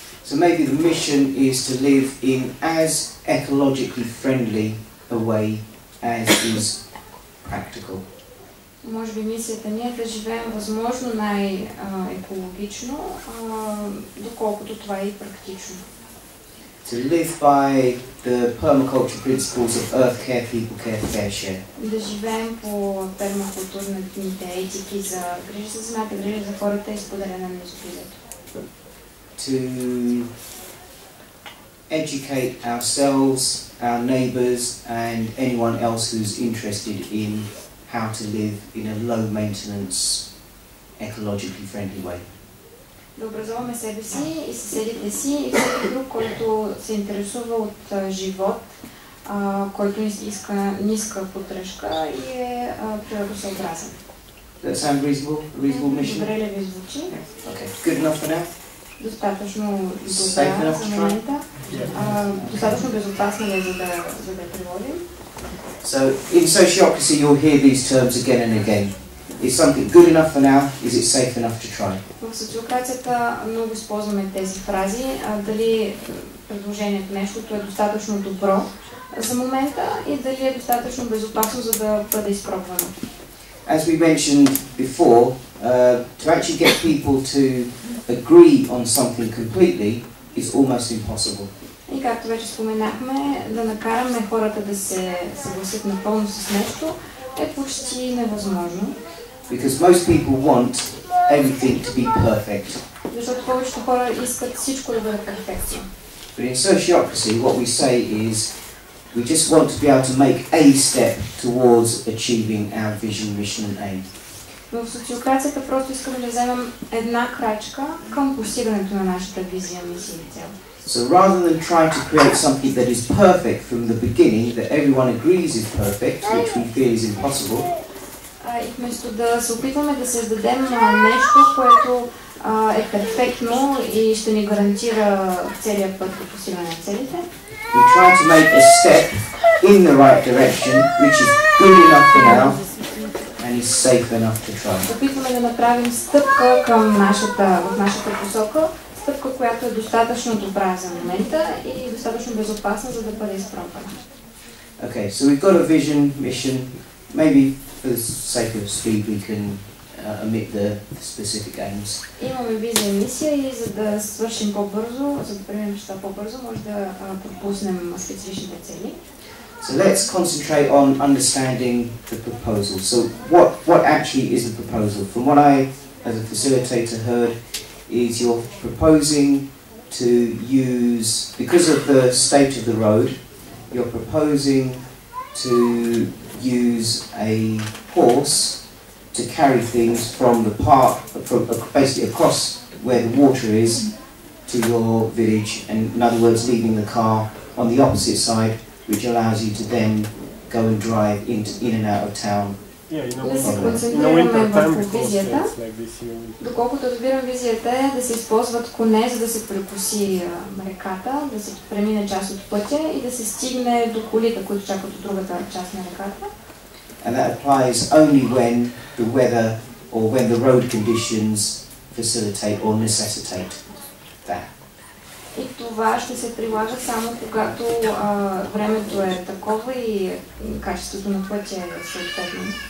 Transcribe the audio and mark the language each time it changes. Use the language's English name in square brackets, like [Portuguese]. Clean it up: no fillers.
[English] So maybe the mission is to live in as ecologically friendly a way as is practical. [Bulgarian] Може би мисията ни е да живеем възможно най-екологично, доколкото това е и практично. [English] To live by the permaculture principles of earth care, people care, fair share. [Bulgarian] Да живеем по пермакултурните етики за грижа за земята, грижа за хората и споделяне на изобилието. [English] To educate ourselves, our neighbors, and anyone else who's interested in how to live in a low maintenance, ecologically friendly way. [Bulgarian] Да образуваме себе си и съседите си и всеки друг, който се интересува от живот, който иска ниска поддръжка и е природосъобразен. [English] That sound reasonable mission? [Bulgarian] Добре ли ви звучи? [English] Okay. Good enough for now? [Bulgarian] Достатъчно добра за момента. Достатъчно безопасна е, за да приводим. [English] So, in sociocracy you'll hear these terms again and again. Is something good enough for now? Is it safe enough to try? [Bulgarian] В социокрацията много използваме тези фрази. Дали предложението нещото е достатъчно добро за момента и дали е достатъчно безопасно, за да бъде изпробвано. [English] As we mentioned before, to actually get people to agree on something completely is almost impossible. [Bulgarian] И както вече споменахме, да накараме хората да се съгласят напълно с нещо е почти невъзможно. [English] Because most people want everything to be perfect. [Bulgarian] Защото повечето хора искат всичко да бъде перфектно. [English] But in sociocracy, what we say is we just want to be able to make a step towards achieving our vision, mission and aim. [Bulgarian] Но в социокрацията просто искаме да вземем една крачка към постигането на нашата визия, мисия и цел. [English] So rather than trying to create something that is perfect from the beginning, that everyone agrees is perfect, which we feel is impossible, [Bulgarian] и вместо да се опитваме да създадем нещо, което е перфектно и ще ни гарантира целия път по постигане на целите, [English] we try to make a step in the right direction, which is good enough for now, and is safe enough to try. [Bulgarian] Опитваме да направим стъпка към нашата, в нашата посока, стъпка, която е достатъчно добра за момента и достатъчно безопасна, за да бъде изпробвана. [English] Okay, so we've got a vision, mission, maybe for the sake of speed we can omit the specific aims. [Bulgarian] Имаме визия и мисия и за да свършим по-бързо, за да приемем неща по-бързо, може да пропуснем специфичните цели. [English] So let's concentrate on understanding the proposal. So what actually is the proposal? From what I, as a facilitator, heard, is you're proposing to use, because of the state of the road, you're proposing to use a horse to carry things from the park, from basically across where the water is, to your village, and in other words, leaving the car on the opposite side, which allows you to then go and drive in and out of town. [Bulgarian] Да се концентрираме върху визията. Доколкото разбирам, визията е да се използват коне, за да се прекуси реката, да се премине част от пътя и да се стигне до колите, които чакат от другата част на реката. [English] And that applies only when the weather or when the road conditions facilitate or necessitate that. [Bulgarian] И това ще се прилага само когато времето е такова и качеството на пътя е съответно.